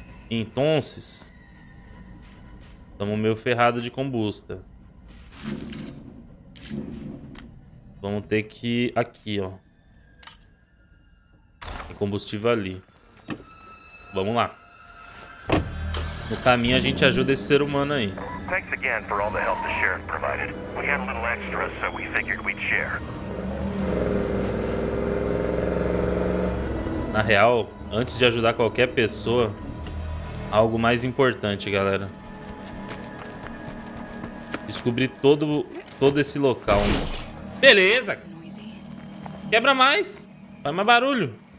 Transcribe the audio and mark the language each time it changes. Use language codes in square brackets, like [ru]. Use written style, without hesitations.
[pt] Então, estamos meio ferrado de combusta. Vamos ter que ir aqui, ó. Tem combustível ali. Vamos lá. No caminho, a gente ajuda esse ser humano aí. [en] Thanks again for all the help the sheriff provided. We had a little extra, so we figured we'd share. [pt] Na real, antes de ajudar qualquer pessoa, algo mais importante, galera. Descobrir todo esse local. Beleza! Quebra mais! Faz mais barulho!